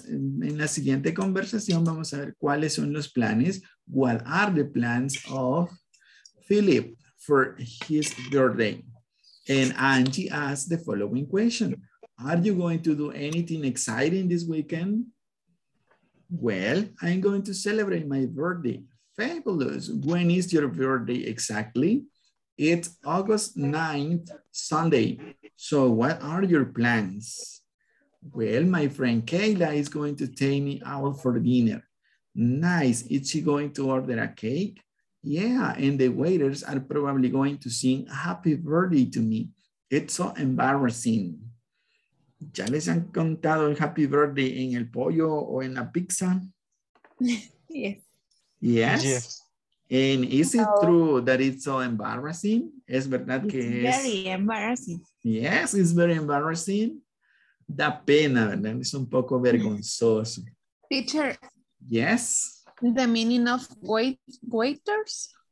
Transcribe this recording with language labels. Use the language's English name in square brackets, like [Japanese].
[Spanish] En la siguiente conversación vamos a ver cuáles son los planes. [English] What are the plans of Philip for his birthday? And Angie asks the following question. Are you going to do anything exciting this weekend? Well, I'm going to celebrate my birthday. Fabulous. When is your birthday exactly? It's August 9th, Sunday. So what are your plans? Well, my friend Kayla is going to take me out for dinner. Nice. Is she going to order a cake? Yeah, and the waiters are probably going to sing happy birthday to me. It's so embarrassing. [Spanish] ¿Ya les han contado el happy birthday en el pollo o en la pizza? [English] Yes. Yes. And is it true that it's so embarrassing? [Spanish] ¿Es verdad [English] it's [Spanish] que [English] very [Spanish] es? [English] Very embarrassing. Yes, it's very embarrassing. [Spanish] Da pena, ¿verdad? Es un poco vergonzoso. [English] Teacher. Yes. The meaning of waiters?